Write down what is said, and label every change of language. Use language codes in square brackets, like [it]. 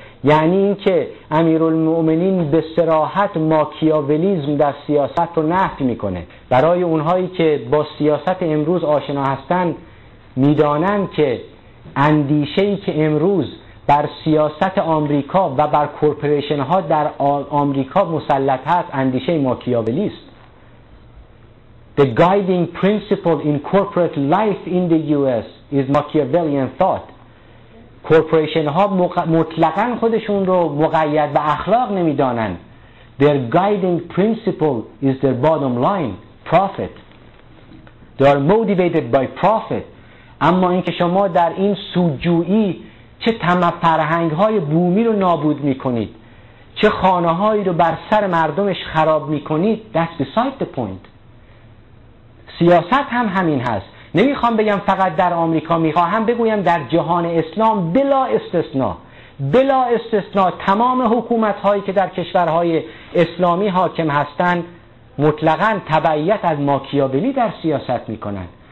[fa] یعنی اینکه امیرالمومنین به صراحت ماکیاولیزم در سیاست رو نفی میکنه. برای اونهایی که با سیاست امروز آشنا هستن میدانن که اندیشه‌ای که امروز بر سیاست آمریکا و بر کورپوریشن ها در آمریکا مسلط هست اندیشه ماکیاولیست. [en] The guiding principle in corporate life in the US is Machiavellian thought. [fa] کورپوریشن ها مطلقاً خودشون رو مقید و اخلاق نمی دانن. [en] Their guiding principle is their bottom line, profit. They are motivated by profit. [fa] اما اینکه شما در این سودجویی چه تمام فرهنگ های بومی رو نابود می کنید، چه خانه هایی رو بر سر مردمش خراب می کنید، [en] that's beside the point. [fa] سیاست هم همین هست. نمیخوام بگم فقط در آمریکا، میخواهم بگویم در جهان اسلام بلا استثناء، بلا استثناء تمام حکومت هایی که در کشورهای اسلامی حاکم هستند مطلقاً تبعیت از ماکیاولی در سیاست میکنند.